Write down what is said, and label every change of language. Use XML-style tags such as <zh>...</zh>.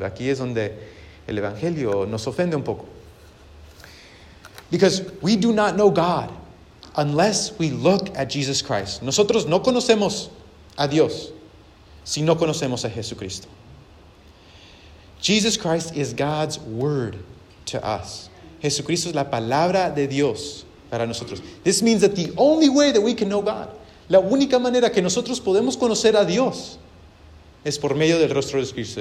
<es>Aquí es donde el evangelio nos ofende un poco.</es> <en>Because we do not know God unless we look at Jesus Christ.</en> <es>Nosotros no conocemos a Dios si no conocemos a Jesucristo.</es> <en>Jesus Christ is God's word to us.</en> <es>Jesucristo es la palabra de Dios para nosotros.</es> <en>This means that the only way that we can know God,</en> <es>la única manera que nosotros podemos conocer a Dios, es por medio del rostro de Cristo.</es>